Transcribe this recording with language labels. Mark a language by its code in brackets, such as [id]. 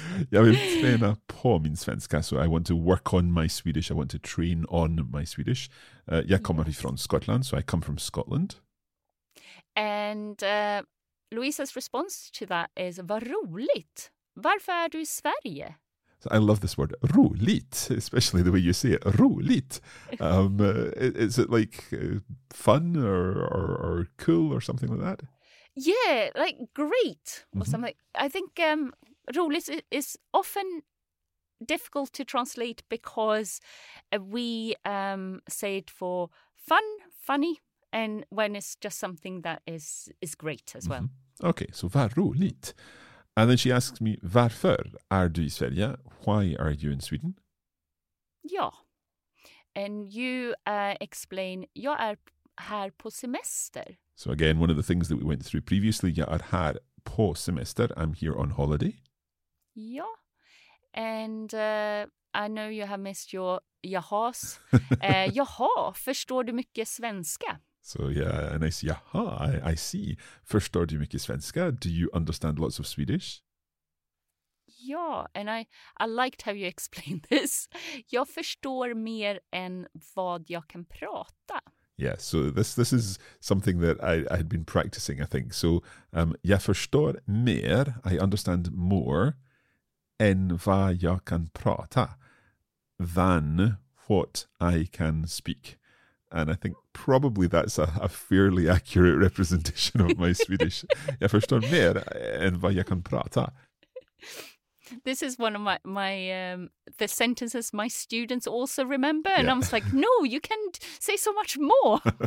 [sv] Jag vill träna på min svenska. [en] So I want to work on my Swedish. I want to train on my Swedish. [sv] Jag kommer ifrån Scotland. [en] So I come from Scotland. And Louisa's response to that is, [sv] vad roligt. Varför är du I Sverige? [en] So I love this word, roligt, especially the way you say it, roligt. Is it like fun or cool or something like that? Yeah, like great or something. I think roligt is often difficult to translate because we say it for fun, funny, and when it's just something that is great as well. Okay, so [sv] var roligt. [en] And then she asks me, [sv] varför är du I Sverige? [en] Why are you in Sweden? [sv] Ja. [en] And you explain, [sv] jag är här på semester. [en] So again, one of the things that we went through previously, [sv] jag är här på semester. [en] I'm here on holiday. [sv] Ja. [en] And I know you have missed your jahas. [sv] jaha, förstår du mycket svenska? [en] So yeah, a nice jaha, I see. [sv] Förstår du mycket svenska? [en] Do you understand lots of Swedish? Ja, and I liked how you explained this. [sv] Jag förstår mer än vad jag kan prata. [en] Yeah, so this is something that I had been practicing, I think. So [sv] jag förstår mer, [en] I understand more [sv] än vad jag kan prata [en] than what I can speak. And I think probably that's a fairly accurate representation of my Swedish. [sv] Jag förstår mer än vad jag kan prata. [en] This is one of the sentences my students also remember. And yeah. I was like, no, you can say so much more.